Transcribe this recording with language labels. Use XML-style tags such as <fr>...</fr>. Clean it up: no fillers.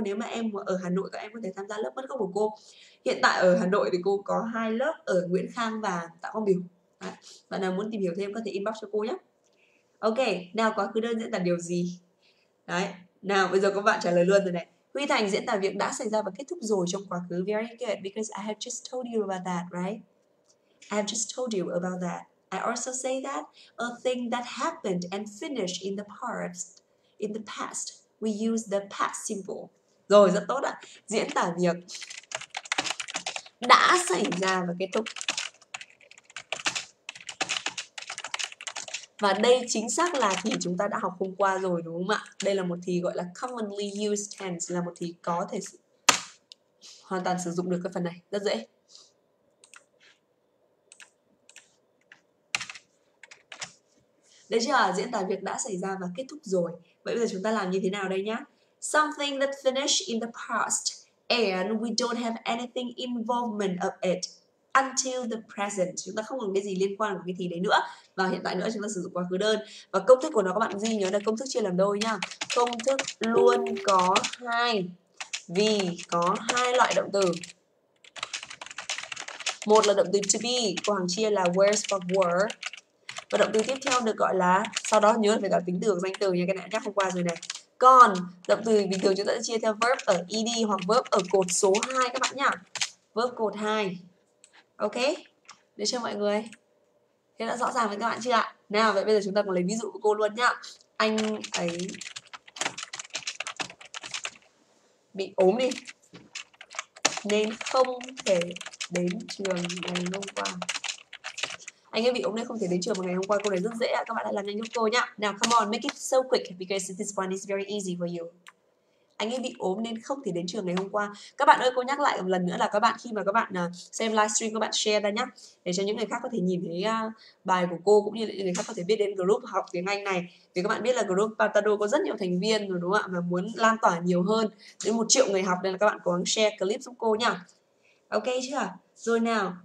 <vi>Nếu mà em ở Hà Nội, các em có thể tham gia lớp mất gốc của cô. Hiện tại ở Hà Nội thì cô có hai lớp ở Nguyễn Khang và Tạ Quang Biểu. Đấy. Bạn nào muốn tìm hiểu thêm có thể inbox cho cô nhé. Ok, nào quá khứ đơn diễn tả điều gì? Đấy, nào bây giờ các bạn trả lời luôn rồi này. Huy Thành diễn tả việc đã xảy ra và kết thúc rồi trong quá khứ.</vi> <en>Very good, because I have just told you about that, right? I've just told you about that. I also say that a thing that happened and finished in the past, we use the past simple.</en> <vi>Rồi, rất tốt ạ. Diễn tả việc đã xảy ra và kết thúc. Và đây chính xác là thì chúng ta đã học hôm qua rồi đúng không ạ? Đây là một thì gọi là</vi> <en>commonly used tense,</en> <vi>là một thì có thể hoàn toàn sử dụng được cái phần này, rất dễ. Được chưa? Diễn tả việc đã xảy ra và kết thúc rồi. Vậy bây giờ chúng ta làm như thế nào đây nhá?</vi> <en>Something that finished in the past and we don't have anything involvement of it until the present.</en> <vi>Chúng ta không còn cái gì liên quan của cái thì đấy nữa. Và hiện tại nữa chúng ta sử dụng quá khứ đơn. Và công thức của nó các bạn ghi nhớ là công thức chia làm đôi nhá. Công thức luôn có hai, vì có hai loại động từ. Một là động từ to be, cô Hằng chia là where's for were. Và động từ tiếp theo được gọi là, sau đó nhớ phải gọi tính từ danh từ nha, cái này nhắc hôm qua rồi này. Còn động từ bình thường chúng ta sẽ chia theo verb ở ED hoặc verb ở cột số 2 các bạn nhá. Verb cột 2. Ok, để cho mọi người. Thế đã rõ ràng với các bạn chưa ạ? Nào, vậy bây giờ chúng ta cùng lấy ví dụ của cô luôn nhá. Anh ấy bị ốm đi, nên không thể đến trường ngày hôm qua. Anh ấy bị ốm nên không thể đến trường vào ngày hôm qua. Câu này rất dễ ạ. Các bạn hãy làm nhanh giúp cô nhá.</vi> <en>Now, come on, make it so quick because this one is very easy for you.</en> <vi>Anh ấy bị ốm nên không thể đến trường ngày hôm qua. Các bạn ơi, cô nhắc lại một lần nữa là các bạn khi mà các bạn xem livestream, các bạn share ra nhá. Để cho những người khác có thể nhìn thấy bài của cô, cũng như là những người khác có thể biết đến group học tiếng Anh này. Vì các bạn biết là group Patado có rất nhiều thành viên rồi đúng không ạ? Mà muốn lan tỏa nhiều hơn đến 1 triệu người học, nên là các bạn cố gắng share clip giúp cô nhá. Ok chưa? Rồi nào.</vi>